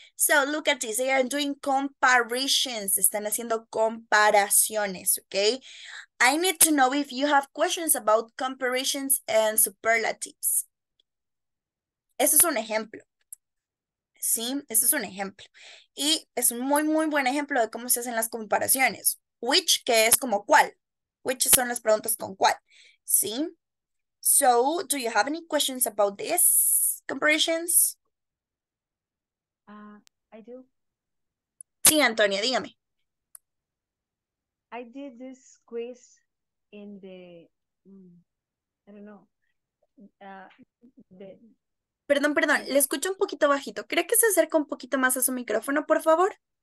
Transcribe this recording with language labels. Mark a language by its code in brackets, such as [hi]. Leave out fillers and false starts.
[en] So look at this. They are doing comparisons. [es] Están haciendo comparaciones, [en] okay? I need to know if you have questions about comparisons and superlatives. [es] Ese es un ejemplo. Sí, ese es un ejemplo. Y es un muy, muy buen ejemplo de cómo se hacen las comparaciones. Which, que es como cuál. Which son las preguntas con cuál. Sí. [en] So, do you have any questions about this comparisons? I do. [es] Sí, Antonia, dígame. [en] I did this quiz in the, I don't know, the... [es] Perdón, perdón, le escucho un poquito bajito. ¿Cree que se acerca un poquito más a su micrófono, por favor?